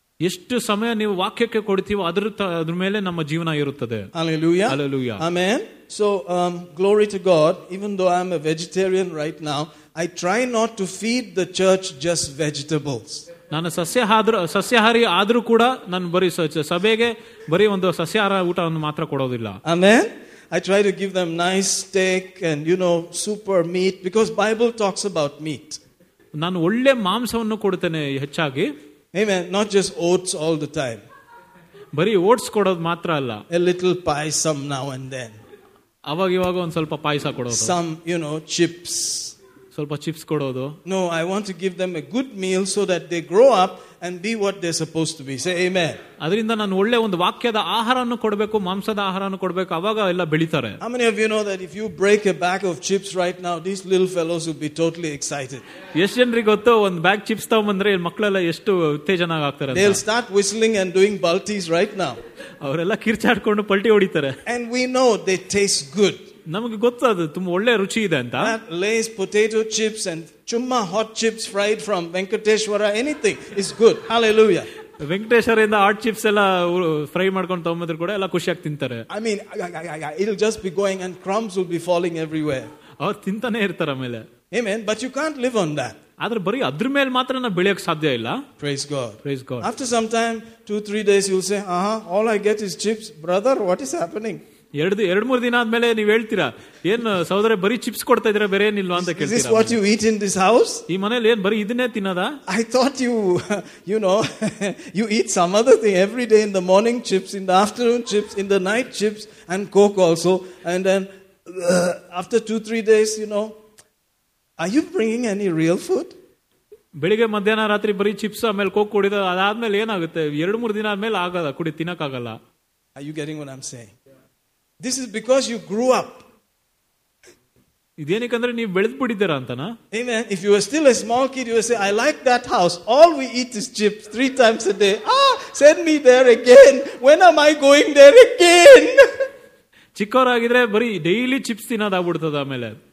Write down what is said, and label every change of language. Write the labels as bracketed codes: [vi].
[kn] ಎಷ್ಟು ಸಮಯ ನೀವು ವಾಕ್ಯಕ್ಕೆ ಕೊಡ್ತೀವೋ ಅದರ ಮೇಲೆ ನಮ್ಮ ಜೀವನ ಇರುತ್ತದೆ. [en] Hallelujah. Hallelujah. Amen. So glory to God. Even though I am a vegetarian right now, I try not to feed the church just vegetables. [kn] ನಾನು ಸಸ್ಯಾಹಾರಿ ಆದರೂ ಕೂಡ ನಾನು ಬರೀ ಸಭೆಗೆ ಬರೀ ಒಂದು ಸಸ್ಯಾಹಾರ ಊಟವನ್ನು ಮಾತ್ರ ಕೊಡೋದಿಲ್ಲ. [en] Amen. I try to give them nice steak and, you know, super meat, because Bible talks about meat. [kn] ನಾನು ಒಳ್ಳೆ ಮಾಂಸವನ್ನು ಕೊಡ್ತೇನೆ ಹೆಚ್ಚಾಗಿ. [en] Amen. Not just oats all the time. [kn] ಬರೀ ಓಟ್ಸ್ ಕೊಡೋದು ಮಾತ್ರ ಅಲ್ಲ. [en] A little pie some now and then. [kn] ಅವಾಗ ಇವಾಗ ಒಂದು ಸ್ವಲ್ಪ ಪಾಯಸ ಕೊಡೋದು. [en] Some, you know, chips. [kn] ಸ್ವಲ್ಪ ಚಿಪ್ಸ್ ಕೊಡೋದು. [en] No, I want to give them a good meal so that they grow up and be what they're supposed to be. Say amen. [kn] ಅದರಿಂದ ನಾನು ಒಳ್ಳೆ ಒಂದು ವಾಕ್ಯದ ಆಹಾರವನ್ನು ಕೊಡಬೇಕು, ಮಾಂಸದ ಆಹಾರವನ್ನು ಕೊಡಬೇಕು, ಅವಾಗ ಎಲ್ಲ ಬೆಳೀತಾರೆ. [en] How many of you know that if you break a bag of chips right now, these little fellows would be totally excited. [kn] ಎಷ್ಟು ಜನರಿಗೆ ಗೊತ್ತು, ಒಂದು ಬ್ಯಾಗ್ ಚಿಪ್ಸ್ ತಗೊಂಡ್ರೆ ಮಕ್ಕಳೆಲ್ಲ ಎಷ್ಟು ಉತ್ತೇಜನ ಆಗ್ತಾರೆ. [en] They'll start whistling and doing baltis right now. [kn] ಅವರೆಲ್ಲ ಕಿರ್ಚಾಡ್ಕೊಂಡು ಪಲ್ಟಿ ಹೊಡಿತಾರೆ. [en] And we know they taste good. [kn] ನಮಗೆ ಗೊತ್ತು ಅದು ತುಂಬಾ ಒಳ್ಳೆ ರುಚಿ ಇದೆ ಅಂತ. [en] Lay's potato chips and ಚುಮ್ಮಾ hot chips fried from Venkateshwara, anything is good. Hallelujah. [kn] Venkateshwara ಇಂದ ಹಾಟ್ ಚಿಪ್ಸ್ ಎಲ್ಲ ಫ್ರೈ ಮಾಡ್ಕೊಂಡು ತಗೊಂಬಂದ್ರೆ ಕೂಡ ಎಲ್ಲ ಖುಷಿಯಾಗಿ ತಿಂತಾರೆ. [en] I mean it just be going and crumbs will be following everywhere. [kn] ಅವ್ರು ತಿಂತಾನೆ ಇರ್ತಾರೆ ಮೇಲೆ. [en] Amen. But you can't live on that. [kn] ಆದ್ರೆ ಬರೀ ಅದ್ರ ಮೇಲೆ ಮಾತ್ರ ನಾವು ಬೆಳೆಯಕ್ ಸಾಧ್ಯ ಇಲ್ಲ. [en] Praise God. Praise God. After some time two three days you say aha all I get is chips brother what is happening. [kn] ಎರಡ್ ಮೂರ್ ದಿನ ಆದ್ಮೇಲೆ ನೀವ್ ಹೇಳ್ತೀರಾ ಏನ್ ಸಹೋದರೆ ಬರೀ ಚಿಪ್ಸ್ ಕೊಡ್ತಾ ಇದ್ರೆ ಬೇರೆ ಏನಿಲ್ವಾ ಅಂತ ಕೇಳಿ. [en] Is this what you eat in this house? [kn] ಈ ಮನೆಯಲ್ಲಿ ಏನ್ ಬರೀ ಇದನ್ನೇ ತಿನ್ನೋದಾ? [en] I thought you eat some other thing every day, in the morning chips, in the afternoon chips, in the night chips, and coke also, and then after 2-3 days, you know, are you bringing any real food? [kn] ಬೆಳಿಗ್ಗೆ ಮಧ್ಯಾಹ್ನ ರಾತ್ರಿ ಬರೀ chips ಆಮೇಲೆ coke ಕುಡಿದು ಅದಾದ್ಮೇಲೆ ಏನಾಗುತ್ತೆ? ಎರಡ್ ಮೂರ್ ದಿನ ಆದ್ಮೇಲೆ ಆಗಲ್ಲ, ಕುಡಿ ತಿನ್ನಕಾಗಲ್ಲ. [en] Are you getting what I'm saying? This is because you grew up. [kn] ಇದೇನಕ್ಕಂದ್ರೆ ನೀವು ಬೆಳೆದ್ಬಿಟ್ಟಿದ್ದೀರ ಅಂತನಾ [en] amen if you are still a small kid you will say I like that house all we eat is chips 3 times a day ah send me there again when am I going there again [kn] ಚಿಕ್ಕವರಾಗಿದ್ರೆ ಬರೀ daily chips ತಿನ್ನೋದ್ ಆಗ್ಬಿಡ್ತದ ಆಮೇಲೆ